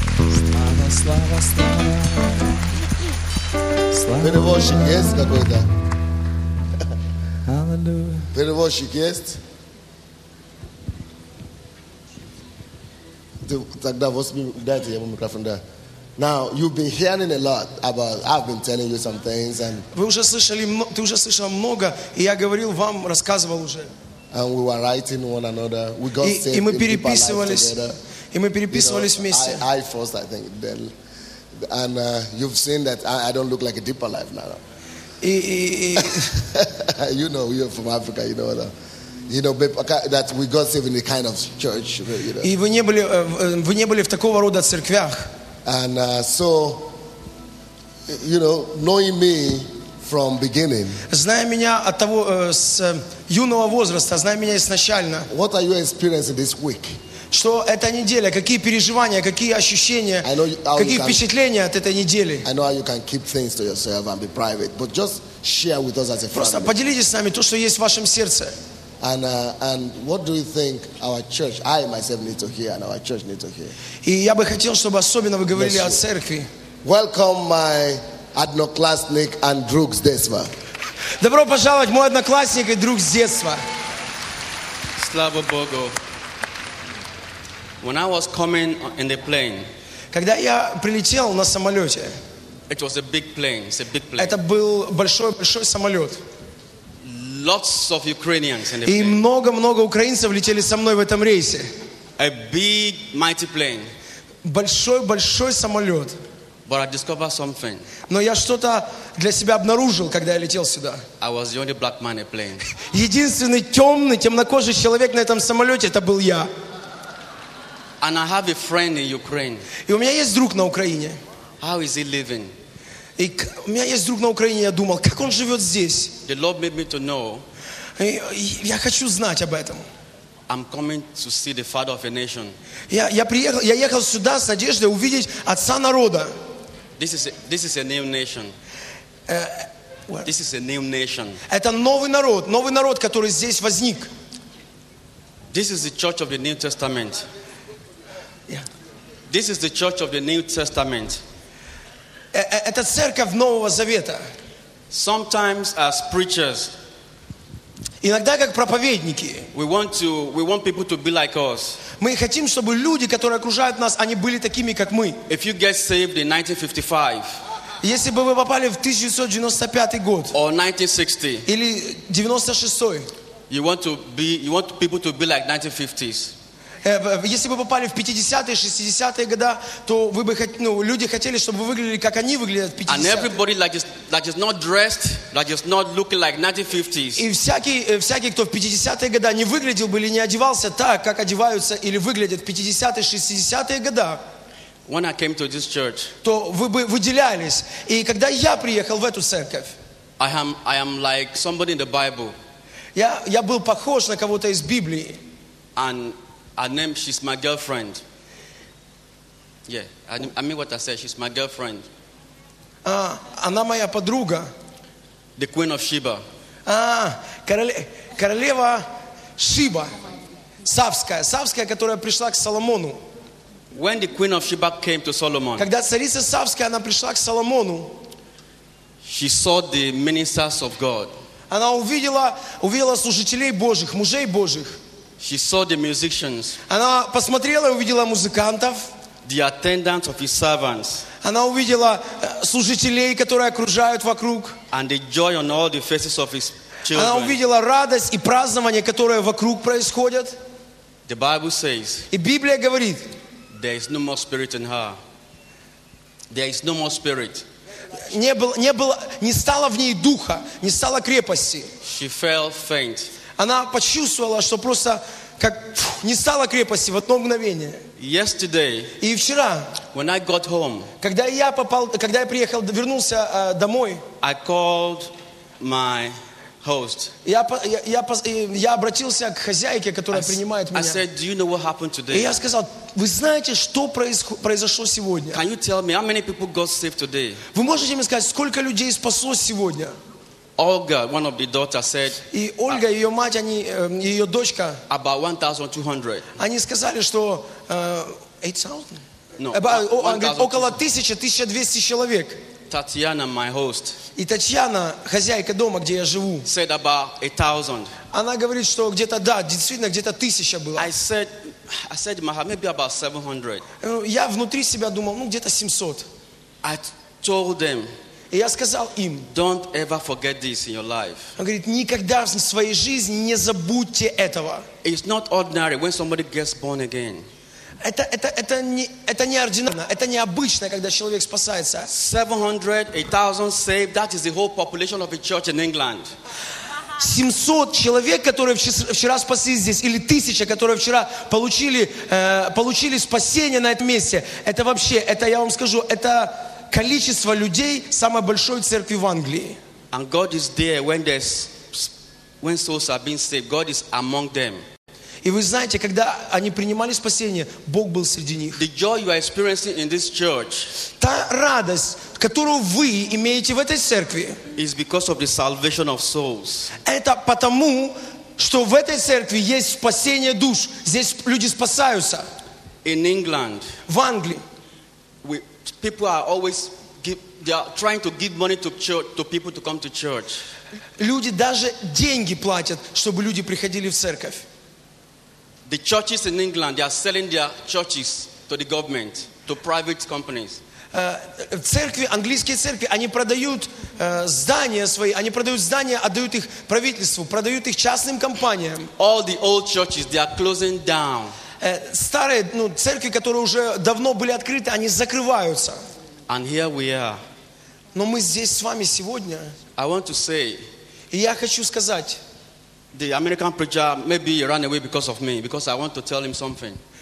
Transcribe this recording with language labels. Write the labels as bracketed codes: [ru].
[ru] Слава, слава, слава. Перевозчик есть какой-то? Аллилуйя. Перевозчик есть? Тогда возьми, дайте ему микрофон, да. [en] Now, you've been hearing a lot about, I've been telling you some things and... [ru] Ты уже слышал много, и я говорил вам, рассказывал уже. [en] And we were writing one another. We got saved in people's lives together. [ru] И мы переписывались вместе. [en] I first, I think, then... And you've seen that I don't look like a deeper life now. You know, you're from Africa. You know that. You know that we got saved in a kind of church. You know. [ru] И вы не были в такого рода церквях. [en] And so, you know, knowing me from beginning. [ru] Зная меня от того с юного возраста, зная меня изначально. [en] What are you experiencing this week? [ru] Что эта неделя, какие переживания, какие ощущения, какие впечатления от этой недели. [en] I know how you can keep things to yourself and be private, but just share with us as a family. [ru] Просто поделитесь с нами то, что есть в вашем сердце. [en] And what do you think our church, I myself need to hear, and our church need to hear? [ru] И я бы хотел, чтобы особенно вы говорили о церкви. [en] Welcome my [ru] одноклассник [en] and [ru] друг с детства. Добро пожаловать, мой одноклассник и друг с детства. Слава Богу. [en] When I was coming in the plane, [ru] когда я прилетел на самолете, [en] it was a big plane. It's a big plane. [ru] Это был большой самолет. [en] Lots of Ukrainians in the [ru] и [en] plane. [ru] Много украинцев летели со мной в этом рейсе. [en] A big, mighty plane. [ru] Большой самолет. [en] But I discovered something. [ru] Но я что-то для себя обнаружил, когда я летел сюда. [en] I was the only black man in the plane. [ru] Единственный темнокожий человек на этом самолете это был я. [en] And I have a friend in Ukraine. [ru] И у меня есть друг на Украине. [en] How is he living? [ru] И у меня есть друг на Украине, я думал, как он живет здесь? [en] The Lord made me to know. [ru] Я хочу знать об этом. [en] I'm coming to see the father of a nation. [ru] Я ехал сюда с надеждой увидеть отца народа. [en] This is a new nation. This is a new nation. [ru] Это новый народ, который здесь возник. [en] This is the church of the New Testament. Yeah. This is the church of the New Testament. [ru] Это церковь Нового Завета. [en] Sometimes as preachers, [ru] иногда как проповедники, [en] we want people to be like us. [ru] Мы хотим, чтобы люди, которые окружают нас, они были такими, как мы. [en] If you get saved in 1955, [ru] если бы вы попали в 1995 год, [en] or 1960, [ru] или 96, [en] you want people to be like 1950s. [ru] Если бы попали в 50-е, 60-е года, то вы бы, ну, люди хотели, чтобы вы выглядели, как они выглядят в 50-е. [en] And everybody that is not dressed, that is not looking like 1950s. [ru] И всякий, кто в 50-е года не выглядел бы или не одевался так, как одеваются или выглядят в 50-е, 60-е года, [en] when I came to this church, [ru] то вы бы выделялись. И когда я приехал в эту церковь, [en] I am like somebody in the Bible. [ru] Я был похож на кого-то из Библии. [en] And her name, she's my girlfriend. Yeah, I mean what I said, she's my girlfriend. [ru] Она моя подруга. [en] The Queen of Sheba. [ru] Королева Шиба. Савская, которая пришла к Соломону. [en] When the Queen of Sheba came to Solomon, [ru] когда царица Савская, она пришла к Соломону, [en] she saw the ministers of God. [ru] Она увидела служителей Божьих, мужей Божьих. [en] She saw the musicians. [ru] Она посмотрела и увидела музыкантов. [en] The attendants of his servants. [ru] Она увидела служителей, которые окружают вокруг. [en] And the joy on all the faces of his children. [ru] Она увидела радость и празднование, которое вокруг происходит. [en] The Bible says. [ru] И Библия говорит. [en] There is no more spirit in her. There is no more spirit. [ru] Не стало в ней духа, не стало крепости. [en] She fell faint. [ru] Она почувствовала, что просто как не стало крепости в одно мгновение. [en] Yesterday, [ru] и вчера, [en] when I got home, [ru] когда я приехал, вернулся домой, [en] I called my host. [ru] Я обратился к хозяйке, которая принимает меня. [en] I said, "Do you know what happened today?" [ru] И я сказал, вы знаете, что произошло сегодня? [en] Can you tell me how many people got saved today? [ru] Вы можете мне сказать, сколько людей спаслось сегодня? [en] Olga, one of the daughters said. [ru] И Ольга, ее мать, они, ее дочка. [en] About 1,200. [ru] Они сказали, что 8,000. [en] No. [ru] Около 1,000-1,200 человек. [en] Татьяна, my host. [ru] И Татьяна, хозяйка дома, где я живу. [en] Said about 1,000. [ru] Она говорит, что где-то да, действительно где-то 1,000 было. [en] I said, maybe about 700. [ru] Я внутри себя думал, ну где-то 700. [en] I told them. [ru] И я сказал им, [en] don't ever forget this in your life. [ru] Он говорит, никогда в своей жизни не забудьте этого. [en] It's not ordinary when somebody gets born again. [ru] Это неординарно, это необычно, когда человек спасается. [en] 700, 1,000 saved, that is the whole population of a church in England. [ru] 700 человек, которые вчера спаслись здесь, или 1,000, которые вчера получили спасение на этом месте, это вообще, это я вам скажу, это количество людей самой большой церкви в Англии. [en] And God is there when souls are being saved. God is among them. [ru] И вы знаете, когда они принимали спасение, Бог был среди них. [en] The joy you are experiencing in this church. [ru] Та радость, которую вы имеете в этой церкви, [en] is because of the salvation of souls. [ru] Это потому, что в этой церкви есть спасение душ. Здесь люди спасаются. [en] In England, [ru] в Англии. [en] We, people are always give, they are trying to give money to church, to people to come to church. [ru] Люди даже деньги платят, чтобы люди приходили в церковь. [en] The churches in England, they are selling their churches to the government, to private companies. [ru] Церкви, английские церкви, они продают здания свои, они продают здания, отдают их правительству, продают их частным компаниям. [en] All the old churches, they are closing down. [ru] Старые, ну, церкви, которые уже давно были открыты, они закрываются. [en] And here we are. [ru] Но мы здесь с вами сегодня. [en] I want to say, [ru] и я хочу сказать, [en] the American preacher maybe ran away because of me, because I want to tell him something.